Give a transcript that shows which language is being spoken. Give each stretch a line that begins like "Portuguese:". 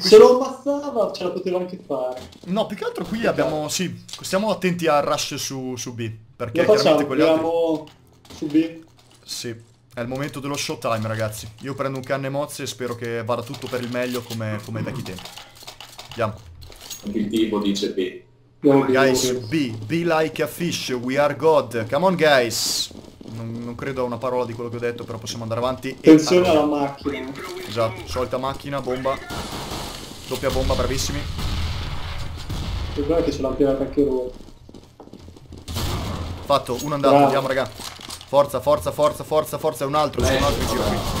Italian: se lo ammazzava ce la poteva anche fare. No, più che altro qui abbiamo... Sì, stiamo attenti al rush su B. Perché chiaramente quelli altri... su B. Sì, è il momento dello showtime, ragazzi. Io prendo un canne mozze e spero che vada tutto per il meglio come vecchi tempi. Andiamo. Il tipo dice B.
English: Guys, be like a fish, we are God. Come on, guys.
Italian: Non credo a una parola di quello che ho detto, però possiamo andare avanti. Attenzione alla macchina. Esatto, solita macchina, bomba. Doppia bomba, bravissimi. Il problema è che ce l'ha pirata anche lui. Fatto, uno andato, bravo. Andiamo, raga. Forza, un altro giro qui.